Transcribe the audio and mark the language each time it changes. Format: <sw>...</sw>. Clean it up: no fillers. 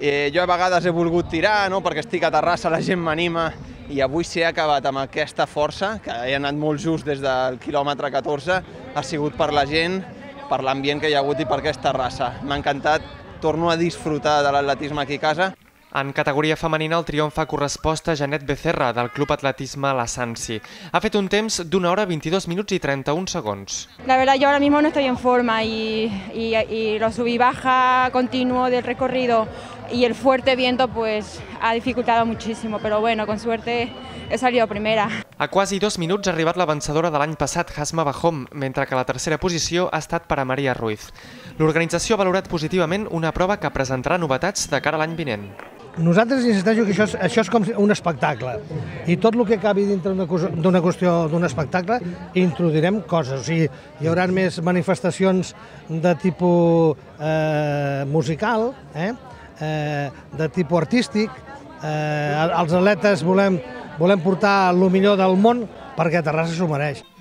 <ca>Jo a vegades he volgut tirar, no? Perquè estic a Terrassa, la gent m'anima, i avui si he acabat amb aquesta força, que he anat molt just des del quilòmetre 14, ha sigut per la gent, per l'ambient que hi ha hagut i per aquesta raça. M'ha encantat, torno a disfrutar de l'atletisme aquí a casa. En categoria femenina, el triomf ha correspost a Janet Becerra, del Club Atletisme La Sansi. Ha fet un temps d'una hora, 22 minuts i 31 segons.</ca> <es>La verdad, yo ahora mismo no estoy en forma y lo subí baja continuo del recorrido y el fuerte viento pues ha dificultado muchísimo, pero bueno, con suerte he salido primera.</es> <ca>A quasi 2 minuts ha arribat la vencedora de l'any passat, Hasma Bahom, mentre que la tercera posició ha estat per a Maria Ruiz. L'organització ha valorat positivament una prova que presentarà novetats de cara a l'any vinent. Nosaltres insisteixo que això és com un espectacle i tot el que acabi dintre d'una qüestió d'un espectacle introduirem coses, o sigui, hi haurà més manifestacions de tipus musical, de tipus artístic, els atletes volem portar el millor del món perquè Terrassa s'ho mereix.</ca>